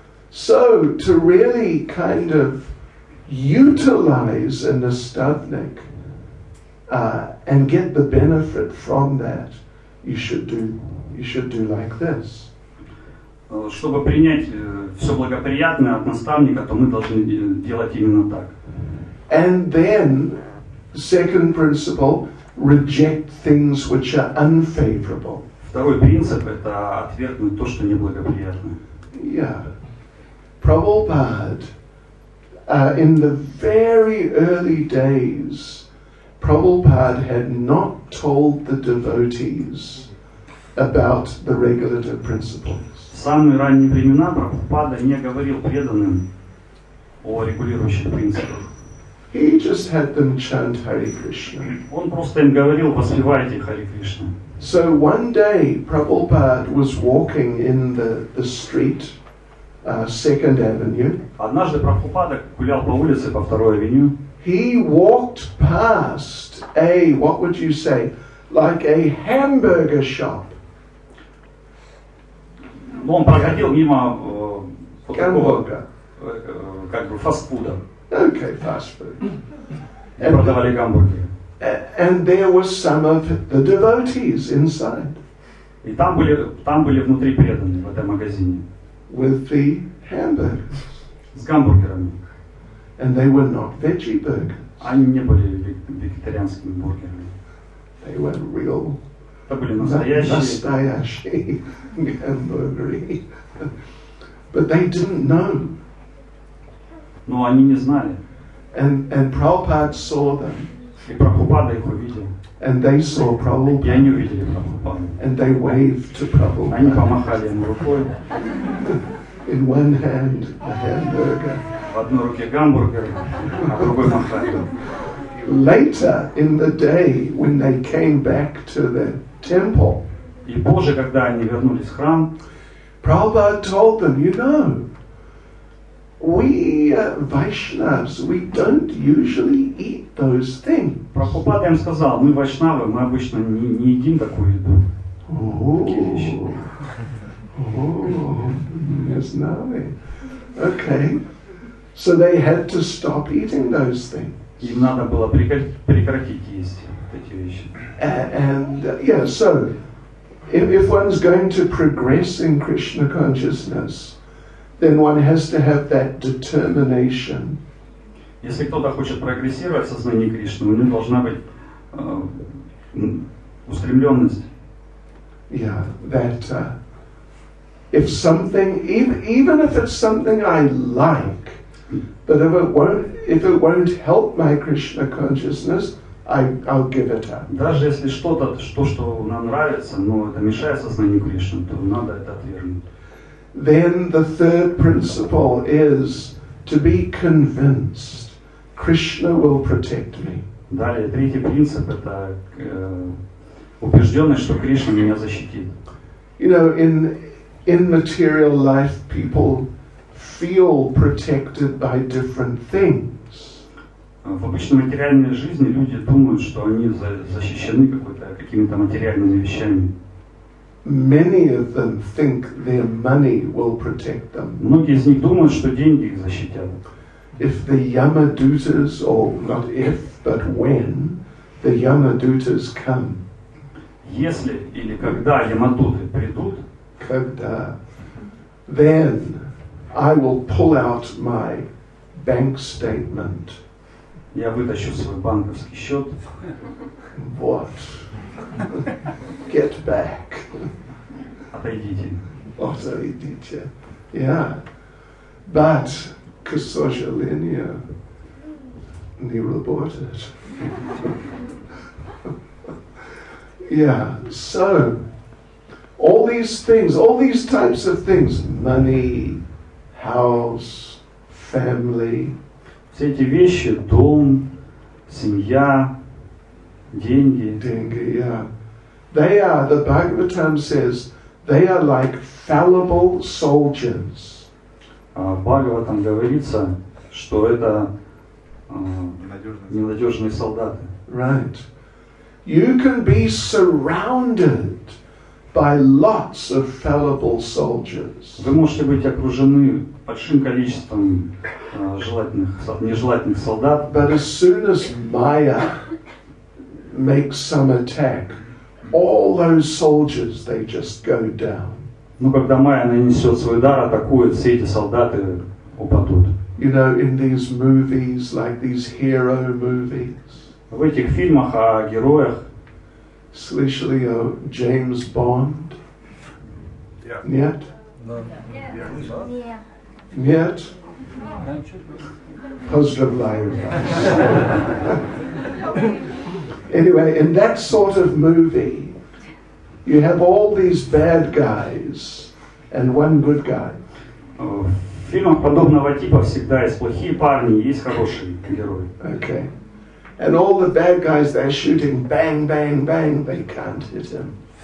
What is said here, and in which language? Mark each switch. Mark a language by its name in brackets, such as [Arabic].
[English] So, to really kind of utilize a nastavnik and get the benefit from that, you should do like this. [Russian] Чтобы принять все благоприятное от наставника, то мы должны делать именно так. [English] And then, second principle, reject things which are unfavorable. [Russian] Второй принцип – это отвергнуть то, что неблагоприятно. [English] Yeah. Prabhupada, in the very early days, Prabhupada had not told the devotees about the regulative principle. [Russian] В самые ранние времена Прабхупада не говорил преданным о регулирующих принципах. [English] He just had them chant Hare Krishna. [Russian] Он просто им говорил, воспевайте Хари Кришна. [English] So one day Prabhupada was walking in the street, Second Avenue. [Russian] Однажды Прабхупада гулял по улице по Второй Авеню. [English] He walked past a, what would you say, like a hamburger shop. [Russian] Он проходил мимо как бы фастфуда. [English] Okay, fast food. [Russian] И продавали гамбургеры. [English] And there were some of the devotees inside. [Russian] И там были внутри преданные в этом магазине. [English] With the hamburgers. [Russian] С гамбургерами. [English] And they were not veggie burgers. [Russian] Они не были вегетарианскими бургерами. [English] They were real. [Russian] Это были настоящие гамбургеры. [English] But they didn't know. [Russian] Но они не знали. [English] And Prabhupada saw them. [Russian] И Прабхупада их увидел. [English] And they saw Prabhupada. [Russian] И они увидели Прабхупаду. [English] And they waved to Prabhupada. [Russian] Они помахали ему рукой. [English] In one hand a hamburger. [Russian] В одной руке гамбургер, а в другой махали. [English] Later in the day when they came back to the temple. [Russian] И позже, когда они вернулись в храм, [English] Prabhupada told them, you know, we Vaishnavas, we don't usually eat those things. [Russian] Прабхупада им сказал, мы вайшнавы, мы обычно не едим такую еду. [English] Oh, yes, now. Okay, so they had to stop eating those things. [Russian] Им надо было прекратить есть эти вещи. [English] And yeah, so if one's going to progress in Krishna consciousness, then one has to have that determination. [Russian] Если кто-то хочет прогрессировать в сознании Кришны, у него должна быть устремленность. [English] Yeah, that if something, even if it's something I like, but if it won't help my Krishna consciousness, I'll give it up. [Russian] Даже если что-то, что нам нравится, но это мешает сознанию Кришны, то надо это отвергнуть. [English] Then the third principle is to be convinced Krishna will protect me. [Russian] Далее третий принцип это убежденность, что Кришна меня защитит. [English] You know, in material life people feel protected by different things. [Russian] В обычной материальной жизни люди думают, что они защищены какими-то материальными вещами. [English] Many of them think their money will protect them. [Russian] Многие из них думают, что деньги их защитят. [English] If the Yamadutas, or not if, but when, the Yamadutas come. [Russian] Если или когда Ямадуты придут. Когда. [English] Then I will pull out my bank statement. [Russian] Я вытащу свой банковский счет. [English] What? Get back. [Russian] Отойдите. [English] Yeah. But [Russian] Ksojalenia не работает. [English] Yeah. So all these things, all these types of things, money, house, family. [Russian] Все эти вещи, дом, семья, деньги. Деньги, [English] yeah. They are, the Bhagavatam says, they are like fallible soldiers. [Russian] Бхагаватам говорится, что это ненадежные солдаты. [English] Right. You can be surrounded by lots of fallible soldiers. [Russian] Вы можете быть окружены большим количеством нежелательных солдат. [English] But as soon as Maya makes some attack, all those soldiers, they just go down. [Russian] Ну, когда Майя нанесет свой удар, атакует, все эти солдаты упадут. [English] You know, in these movies, like these hero movies. [Russian] В этих фильмах о героях. Слышали о Джеймс Бонд? [English] Yeah. [Russian] Нет? Нет. [English] No. Yeah. [Russian] Нет? Поздравляю вас. [English] Anyway, in that sort of movie, you have all these bad guys and one good guy. [Russian] В фильмах подобного типа всегда есть плохие парни, есть хорошие герои. [English] Okay. And all the bad guys, they're shooting bang, bang, bang, they can't hit him.